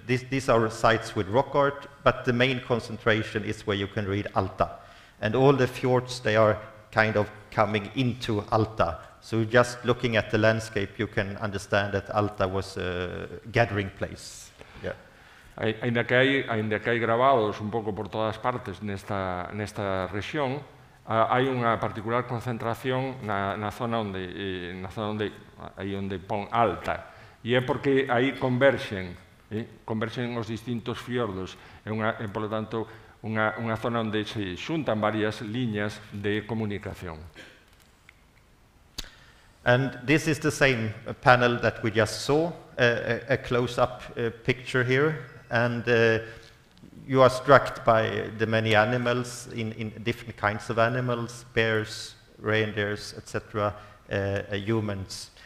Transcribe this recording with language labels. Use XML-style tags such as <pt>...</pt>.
<en>These are sites with rock art, but the main concentration is where you can read Alta. And all the fjords, they are kind of coming into Alta. So just looking at the landscape, you can understand that Alta was a gathering place.</en> <gl>Ainda que hai gravados un pouco por todas partes nesta región, hai unha particular concentración na zona onde pon Alta. E é porque aí converxen os distintos fiordos. É, polo tanto, unha zona onde se xuntan varias liñas de comunicación.</gl> <en>And this is the same panel that we just saw, a close-up picture here. And you are struck by the many animals in different kinds of animals, bears, reindeers, etc., humans.</en>